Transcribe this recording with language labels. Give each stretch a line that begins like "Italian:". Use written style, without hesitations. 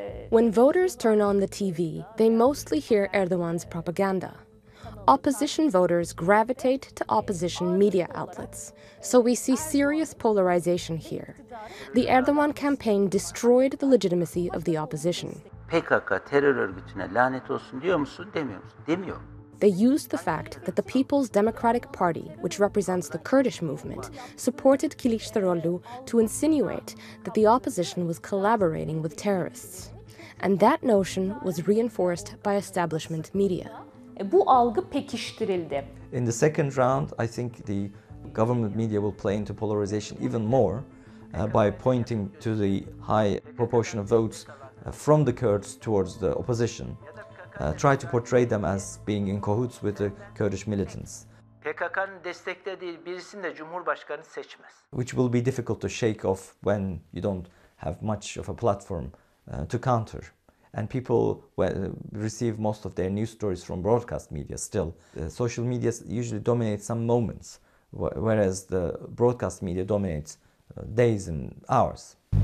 English: When voters turn on the TV, they mostly hear Erdoğan's propaganda. Opposition voters gravitate to opposition media outlets. So we see serious polarization here. The Erdoğan campaign destroyed the legitimacy of the opposition.
Turkish: PKK terör örgütüne lanet olsun diyor musun, demiyor musun? Demiyor.
English: They used the fact that the People's Democratic Party, which represents the Kurdish movement, supported Kılıçdaroğlu to insinuate that the opposition was collaborating with terrorists. And that notion was reinforced by establishment media.
Turkish: Bu algı pekiştirildi.
English: In the second round, I think the government media will play into polarization even more by pointing to the high proportion of votes from the Kurds towards the opposition, try to portray them as being in cahoots with the Kurdish militants.
Turkish: PKK'nın desteklediği birisini de Cumhurbaşkanı seçmez.
English: Which will be difficult to shake off when you don't have much of a platform to counter. And people receive most of their news stories from broadcast media still. Social media usually dominates some moments, whereas the broadcast media dominates days and hours.